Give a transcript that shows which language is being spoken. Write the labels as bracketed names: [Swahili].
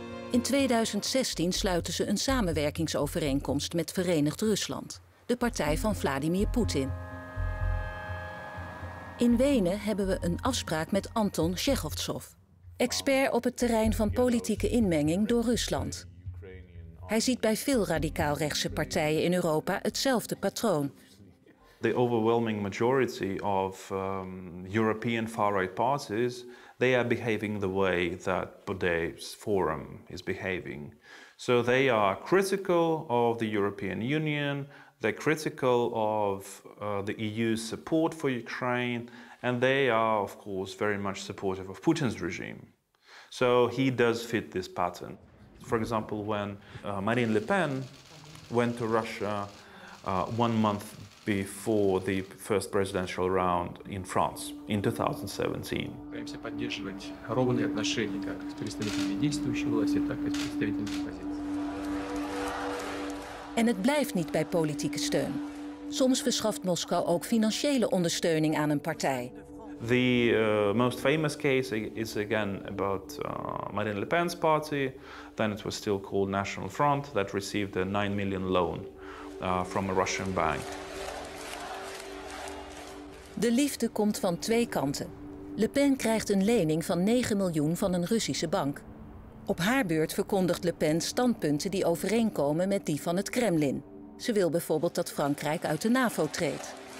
[Dutch] In 2016 sluiten ze een samenwerkingsovereenkomst met Verenigd Rusland, de partij van Vladimir Poetin. In Wenen hebben we een afspraak met Anton Tschechovtsov, expert op het terrein van politieke inmenging door Rusland. Hij ziet bij veel radicaal-rechtse partijen in Europa hetzelfde patroon. [English] The overwhelming majority of European far-right parties, they are behaving the way that Baudet's Forum is behaving. So they are critical of the European Union, they're critical of the EU's support for Ukraine, and they are, of course, very much supportive of Putin's regime. So he does fit this pattern. For example, when Marine Le Pen went to Russia 1 month before the first presidential round in France in 2017. [Dutch] En het blijft niet bij politieke steun. Soms verschaft Moskou ook financiële ondersteuning aan een partij. [English] The most famous case is again about Marine Le Pen's party. Then it was still called National Front that received a 9 million loan from a Russian bank. [Dutch] De liefde komt van twee kanten. Le Pen krijgt een lening van 9 miljoen van een Russische bank. Op haar beurt verkondigt Le Pen standpunten die overeenkomen met die van het Kremlin. Ze wil bijvoorbeeld dat Frankrijk uit de NAVO treedt.